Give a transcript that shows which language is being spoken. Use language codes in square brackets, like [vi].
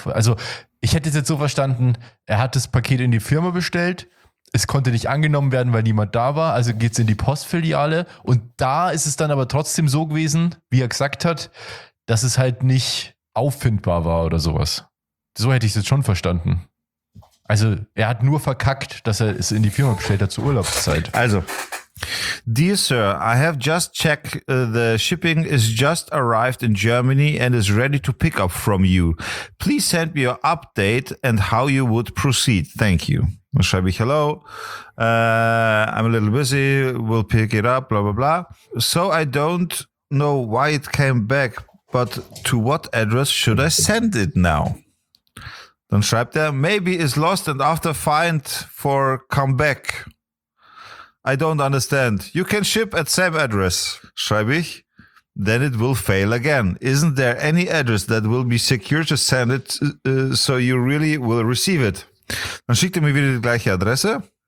[de] Also ich hätte es jetzt so verstanden, er hat das Paket in die Firma bestellt, es konnte nicht angenommen werden, weil niemand da war, also geht es in die Postfiliale und da ist es dann aber trotzdem so gewesen, wie er gesagt hat, dass es halt nicht auffindbar war oder sowas. So hätte ich es jetzt schon verstanden. Also er hat nur verkackt, dass er es in die Firma bestellt hat zur Urlaubszeit. [en] Also, dear sir, I have just checked the shipping is just arrived in Germany and is ready to pick up from you. Please send me your update and how you would proceed. Thank you. [de] Dann schreibe ich [en] hello. I'm a little busy. We'll pick it up. Blah, blah, blah. So I don't know why it came back, but to what address should I send it now? [de] Dann schreibt er, [en] maybe it's lost and after find for come back. I don't understand. You can ship at same address, [de] schreibe ich. [en] Then it will fail again. Isn't there any address that will be secure to send it, so you really will receive it? [de] Dann schickt er mir wieder die gleiche Adresse.